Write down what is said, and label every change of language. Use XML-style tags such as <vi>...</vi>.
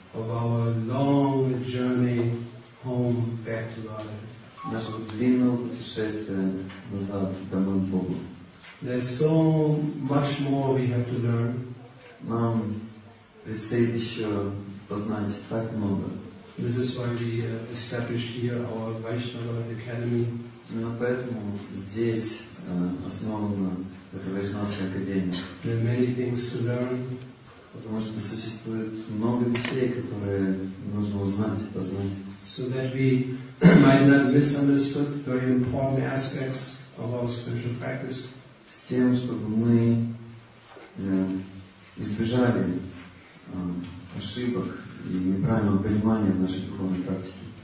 <en>Of our long journey home back to God.</en> <ru>Нашего длинного путешествия назад домой к Богу.</ru> <en>There's so much more we have to learn.</en> <ru>Нам предстоит еще познать так много.</ru> <en>This is why we established here our Vaishnava Academy.</en> <ru>Именно поэтому здесь основана эта Вайшнавская Академия.</ru> <en>There are many things to learn.</en> <ru>Потому что существует много вещей, которые нужно узнать и познать.</ru> <en>So that we might not misunderstand very important aspects of our spiritual practice.</en> <ru>С тем, чтобы мы избежали ошибок и неправильного понимания в нашей духовной практике.</ru>